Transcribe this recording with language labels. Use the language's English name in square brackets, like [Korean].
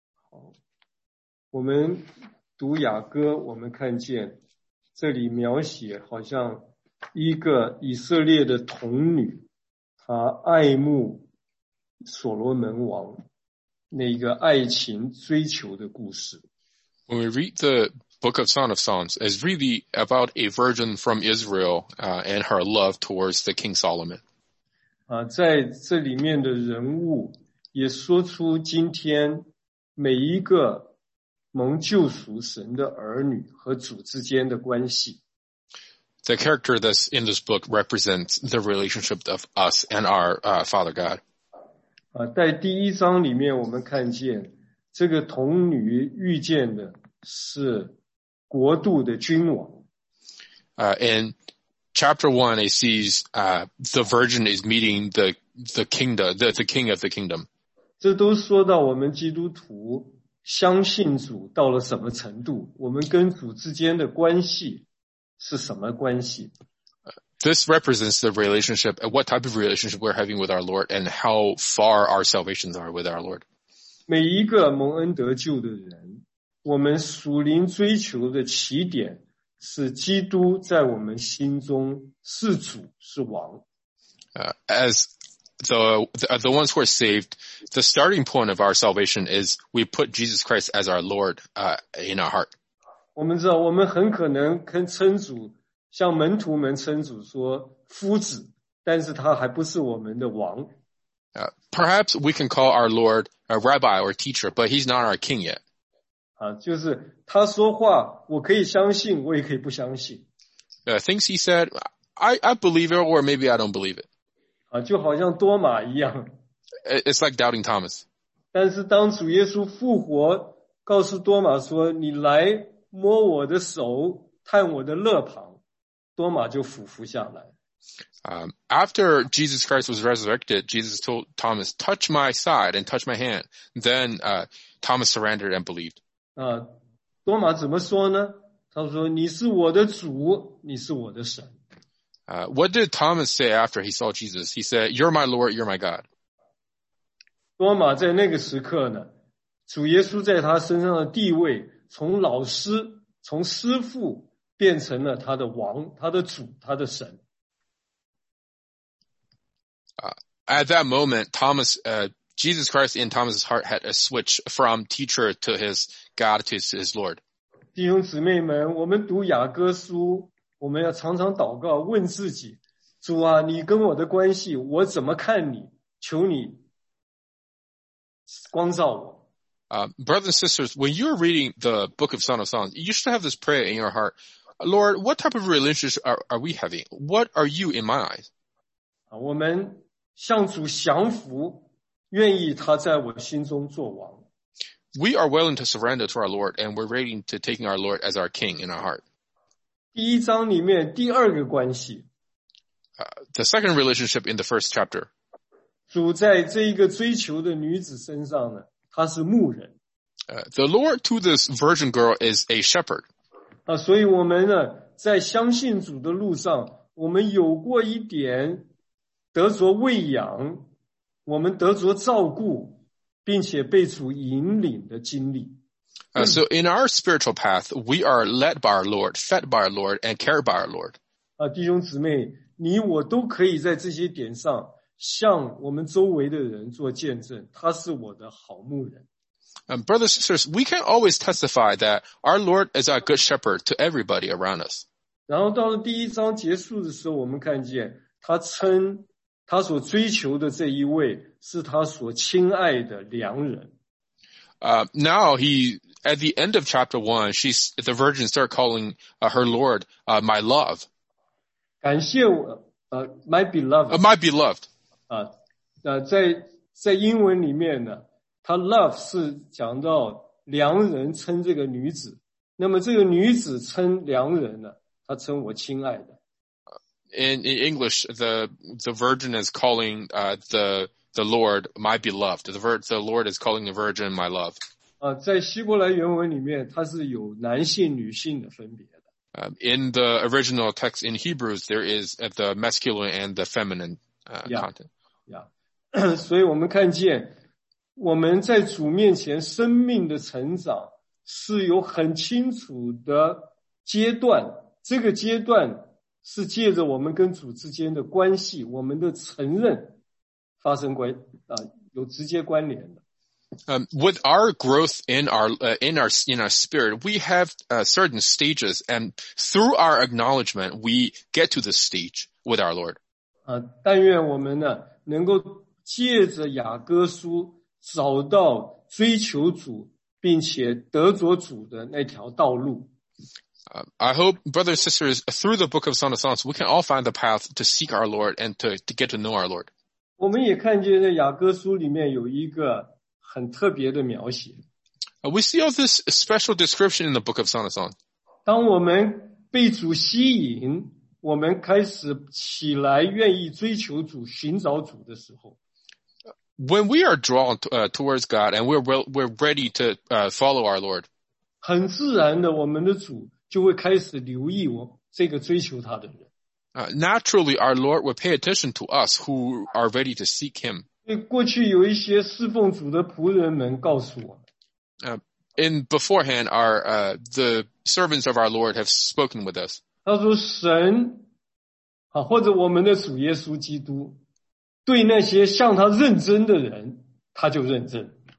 [Chinese] 好，我们读雅歌，我们看见这里描写好像一个以色列的童女，她爱慕所罗门王那个爱情追求的故事。 [English] When we read the Book of Song of Songs, it's really about a virgin from Israel, and her love towards the King Solomon. [Chinese] 在这里面的人物也说出今天每一个蒙救赎神的儿女和主之间的关系。 [English] The character that's in this book represents the relationship of us and our Father God. [Chinese] 在第一章里面我们看见这个童女遇见的是国度的君王。 [English] In chapter 1, it sees the virgin is meeting the kingdom, the king of the kingdom. [Chinese] 这都说到我们基督徒相信主到了什么程度，我们跟主之间的关系是什么关系。 [English] This represents the relationship, what type of relationship we're having with our Lord and how far our salvations are with our Lord. [Chinese] 每一个蒙恩得救的人，我们属灵追求的起点是基督在我们心中是主是王。 [English] As the ones who are saved, the starting point of our salvation is we put Jesus Christ as our Lord, in our heart. [Chinese] 我们知道我们很可能跟称主像门徒们称主说夫子，但是他还不是我们的王。 [English] Perhaps we can call our Lord a rabbi or teacher, but he's not our king yet. [Chinese] 就是他说话我可以相信我也可以不相信。 [English] Things he said, I believe it or maybe I don't believe it. [Chinese] 就好像多马一样。 [English] It's like doubting Thomas. [Chinese] 但是当主耶稣复活告诉多马说你来摸我的手探我的肋旁，多马就俯伏下来。 [English] After Jesus Christ was resurrected, Jesus told Thomas, touch my side and touch my hand. Then, Thomas surrendered and believed. [Chinese] 多马怎么说呢？他说，你是我的主，你是我的神。 [English] What did Thomas say after he saw Jesus? He said, you're my Lord, you're my God. [Chinese] 多马在那个时刻呢，主耶稣在他身上的地位，从老师，从师父，变成了他的王，他的主，他的神。 [English] At that moment, Thomas, Jesus Christ in Thomas's heart had a switch from teacher to his God to his Lord. [Chinese] 弟兄姊妹们，我们读雅各书，我们要常常祷告，问自己：主啊，你跟我的关系，我怎么看你？求你光照我。 [English] Brothers and sisters, when you are reading the Book of Song of Songs, you should have this prayer in your heart: Lord, what type of relationship are we having? What are you in my eyes? [Chinese] 我们向主降服，愿意他在我心中做王。 [English] We are willing to surrender to our Lord, and we're ready to taking our Lord as our King in our heart. [Chinese] 第一章里面第二个关系。 [English] The second relationship in the first chapter. [Chinese] 主在这一个追求的女子身上呢，她是牧人。 [English] The Lord to this virgin girl is a shepherd. [Chinese] 所以我们呢，在相信主的路上，我们有过一点得着喂养，我们得着照顾，并且被主引领的经历。 [English] So in our spiritual path, we are led by our Lord, fed by our Lord, and cared by our Lord. [Chinese] 弟兄姊妹，你我都可以在这些点上向我们周围的人做见证，他是我的好牧人。 [English] Brothers and sisters, we can always testify that our Lord is our good shepherd to everybody around us. [Chinese] 然后到了第一章结束的时候，我们看见他称他所追求的这一位是他所亲爱的良人。 [English] Now he at the end of chapter one, she's the virgin start calling her Lord, my love. [Chinese] 感谢我 [English] my beloved. My beloved. [Chinese] 在英文里面呢，他 love 是讲到良人称这个女子，那么这个女子称良人呢，她称我亲爱的。 [English] In English, the virgin is calling the Lord my beloved. The Lord is calling the virgin my love. [Chinese] 在希伯来原文里面，它是有男性女性的分别的。 [English] In the original text in Hebrews, there is the masculine and the feminine content. Yeah. [Chinese] 所以我们看见我们在主面前生命的成长是有很清楚的阶段，这个阶段是借着我们跟主之间的关系，我们的承认发生关有直接关联的。 [English] With our growth in our spirit, we have certain stages, and through our acknowledgement, we get to the stage with our Lord. [Chinese] 但愿我们呢能够借着雅各书找到追求主并且得着主的那条道路。 [English] I hope, brothers and sisters, through the Book of Song of Songs, we can all find the path to seek our Lord and to get to know our Lord. [Chinese] 我们也看见在雅各书里面有一个很特别的描写。 [English] We see all this special description in the Book of Song of Songs. [Chinese] 当我们被主吸引，我们开始起来愿意追求主、寻找主的时候。 [English] When we are drawn towards God and we're ready to follow our Lord. [Chinese] 很自然的，我们的主就会开始留意我这个追求他的人。 [English] Naturally, our Lord will pay attention to us who are ready to seek him. [Chinese] 过去有一些侍奉主的仆人们告诉我。 [English] In beforehand, our, the servants of our Lord have spoken with us. [Chinese] 他说神啊，或者我们的主耶稣基督，对那些向他认真的人，他就认真。